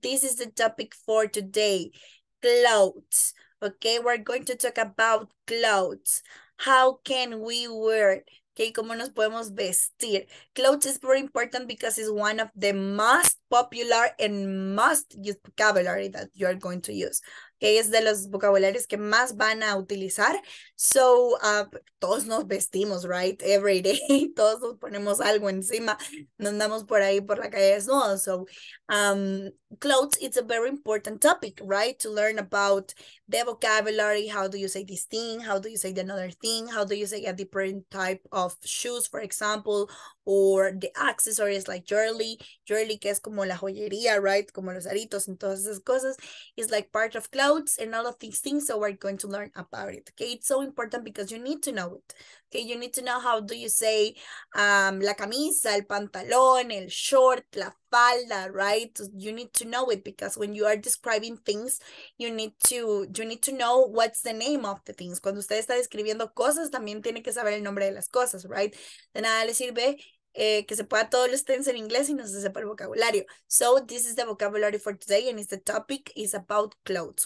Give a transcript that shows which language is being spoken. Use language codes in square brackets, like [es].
[en] This is the topic for today. Clothes. Okay, we're going to talk about clothes. How can we wear Okay, [es] ¿cómo nos podemos vestir? [en] Clothes is very important because it's one of the most popular and most used vocabulary that you are going to use. [es] Okay, es de los vocabularios que más van a utilizar. So, todos nos vestimos, right? Every day. Todos nos ponemos algo encima. Nos andamos por ahí por la calle desnudos. [en] So, clothes, it's a very important topic, right? To learn about the vocabulary. How do you say this thing? How do you say another thing? How do you say a different type of shoes, for example? Or the accessories like jewelry. Jewelry, [es] que es como la joyería, [en] right? [es] Como los aritos and todas esas cosas. [en] It's like part of clothes and all of these things. So we're going to learn about it. Okay, it's so important because you need to know it. Okay, you need to know how do you say [es] la camisa, el pantalón, el short, la falda, [en] right? You need to know it because when you are describing things, you need to know what's the name of the things. [es] Cuando usted está describiendo cosas, también tiene que saber el nombre de las cosas, right? De nada le sirve que se pueda todos los tenses en inglés y no se sepa el vocabulario. [en] So this is the vocabulary for today and it's the topic is about clothes.